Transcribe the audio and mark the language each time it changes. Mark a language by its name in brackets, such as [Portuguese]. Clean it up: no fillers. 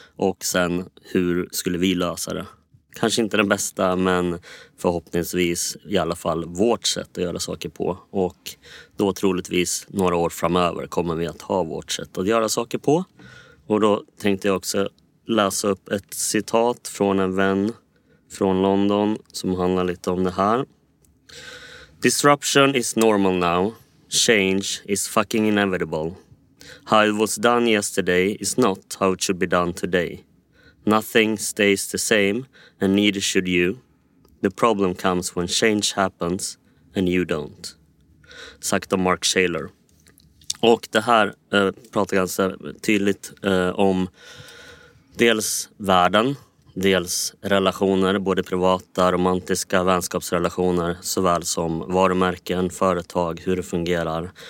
[Swedish] Och sen, hur skulle vi lösa det? Kanske inte den bästa, men förhoppningsvis i alla fall vårt sätt att göra saker på. Och då troligtvis några år framöver kommer vi att ha vårt sätt att göra saker på. Och då tänkte jag också läsa upp ett citat från en vän från London som handlar lite om det här. [English] Disruption is normal now. Change is fucking inevitable. How it was done yesterday is not how it should be done today. Nothing stays the same, and neither should you. The problem comes when change happens, and you don't. [Swedish] Sagt av Mark Shaler. Och det här pratar ganska tydligt om dels världen, dels relationer, både privata, romantiska vänskapsrelationer, såväl som varumärken, företag, hur det fungerar.